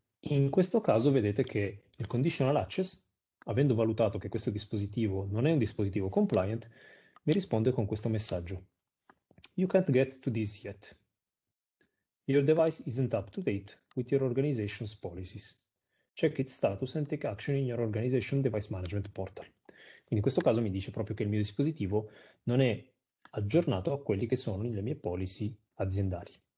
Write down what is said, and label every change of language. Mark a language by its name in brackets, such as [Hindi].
[Italian] in questo caso vedete che il conditional access, avendo valutato che questo dispositivo non è un dispositivo compliant, mi risponde con questo messaggio: [English] You can't get to this yet. Your device isn't up to date with your organization's policies. Check its status and take action in your organization device management portal. [Italian] Quindi in questo caso mi dice proprio che il mio dispositivo non è aggiornato a quelli che sono le mie policy aziendali.